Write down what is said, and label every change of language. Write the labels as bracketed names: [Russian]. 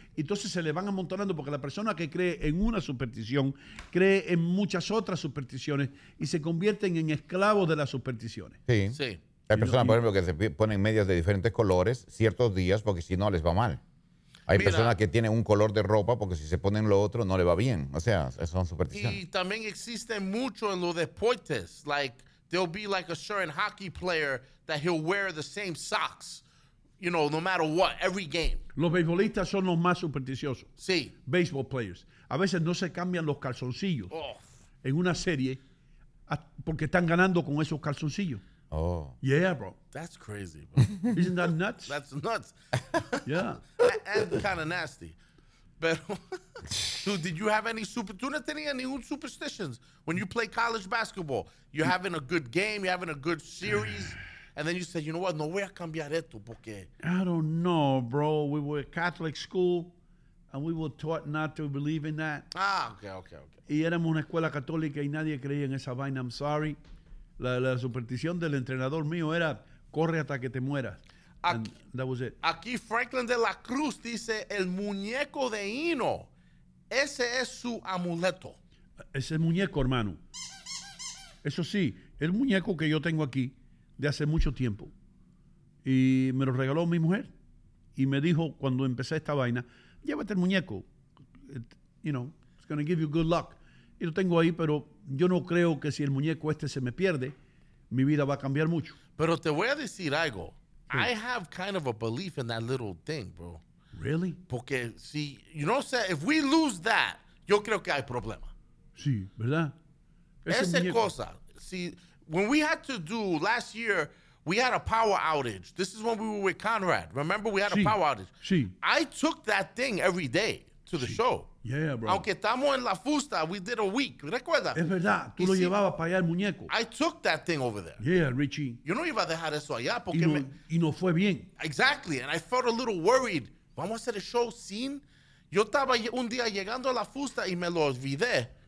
[Spanish] Entonces se le van amontonando porque la persona que cree en una superstición cree en muchas otras supersticiones y se convierten en esclavos de las supersticiones. Sí. Hay personas, por ejemplo, que se ponen medias de diferentes colores ciertos días porque si no les va mal. Hay personas que tienen un color de ropa porque si se ponen lo otro no le va bien. O sea, son supersticiones. Y también existe mucho en los deportes. [English] Like, there'll be like a certain hockey player that he'll wear the same socks. You know, no matter what, every game. [Spanish] Los beisbolistas son los más supersticiosos. Sí. [English] Baseball players. [Spanish] A veces no se cambian los calzoncillos en una serie porque están ganando con esos calzoncillos. Oh. [English] Yeah, bro. That's crazy, bro. Isn't that nuts? That's nuts. Yeah. And kind of nasty. [Spanish] Pero, [English] dude, did you have any super? [Spanish] ¿Tú no tenías ningún [English] superstitions when you play college basketball? You're having a good game, you're having a good series. And then you said, you know what? [Spanish] No voy a cambiar esto porque... [English] I don't know, bro. We were a Catholic school, and we were taught not to believe in that. Ah, okay, okay, okay. [Spanish] Y éramos una escuela católica y nadie creía en esa vaina. [English] I'm sorry. [Spanish] La superstición del entrenador mío era, corre hasta que te mueras. [English] And [Spanish] aquí, [English] that was it. [Spanish] Aquí Franklin de la Cruz dice, el muñeco de Hino, ese es su amuleto. Ese muñeco, hermano. Eso sí, el muñeco que yo tengo aquí de hace mucho tiempo. Y me lo regaló mi mujer. Y me dijo cuando empecé esta vaina, llévate el muñeco. [English] You know, it's going to give you good luck. [Spanish] Y lo tengo ahí, pero yo no creo que si el muñeco este se me pierde, mi vida va a cambiar mucho. Pero te voy a decir algo. Sí. [English] I have kind of a belief in that little thing, bro. Really? [Spanish] Porque si, [English] you know, sir, if we lose that, [Spanish] yo creo que hay problema. Sí, ¿verdad? Esa cosa. [English] See, when we had to do, last year, we had a power outage. This is when we were with Conrad. Remember, we had a power outage. [Spanish] Sí. [English] I took that thing every day to the show. Yeah, bro. [Spanish] Aunque estamos en la fusta, [English] we did a week. [Spanish] ¿Recuerda? Es verdad. Tú y lo llevabas para allá el muñeco. [English] I took that thing over there. Yeah, Richie. [Spanish] Yo no iba a dejar eso allá porque... Y no fue bien. [English] Exactly. And I felt a little worried. [Spanish] Vamos a hacer el show sin... Yo estaba un día llegando a la fusta y me lo olvidé.